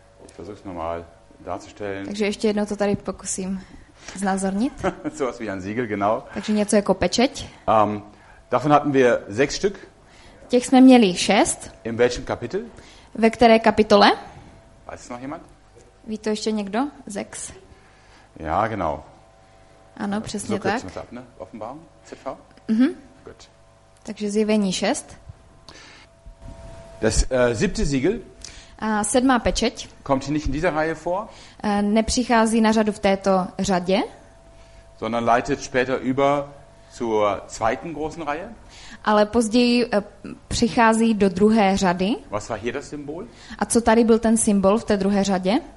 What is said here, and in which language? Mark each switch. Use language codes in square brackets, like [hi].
[de] Ich versuch's nochmal darzustellen. [cs] Takže ještě jednou to tady pokusím znázornit. [de] So was wie ein Siegel, genau. [cs] Takže něco jako pečeť. [de] Davon hatten wir 6 Stück. [cs] Těch jsme měli 6. [de] In welchem Kapitel? [cs] Ve které kapitole? [de] Weiß noch jemand? [cs] Ví to ještě někdo? 6. [de] Ja, genau. [cs] Ano, přesně [de] so [cs] tak. [de] Ab, ne? Offenbarung, ZV? [cs] Mhm. [de] Gut. [cs] Takže zjevení 6. [de] Das siebte Siegel. [cs] Sedmá pečeť. [de] Kommt hier nicht in dieser Reihe vor? [cs] Nepřichází na řadu v této řadě. [de] Sondern leitet später über zur zweiten großen Reihe. [cs] Ale později přichází do druhé řady. [de] Was war hier das Symbol? [cs] A co tady byl ten symbol v té druhé řadě?